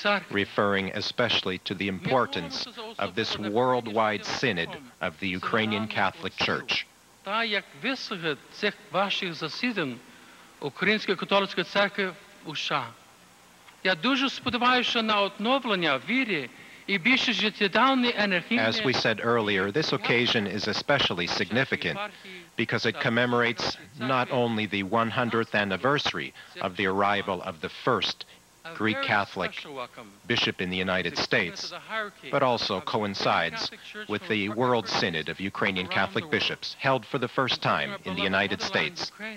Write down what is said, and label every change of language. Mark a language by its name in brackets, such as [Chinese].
[English] Referring especially to the importance of this worldwide synod of the Ukrainian Catholic Church. [Ukrainian] Та як вислуги цих ваших засідань Української католицької церкви у США. Я дуже сподіваюся на оновлення віри і більше життєдавної енергії. [English] As we said earlier, this occasion is especially significant because it commemorates not only the 100th anniversary of the arrival of the first Greek Catholic bishop in the United States, but also coincides with the World Synod of Ukrainian Catholic Bishops, held for the first time in the United States.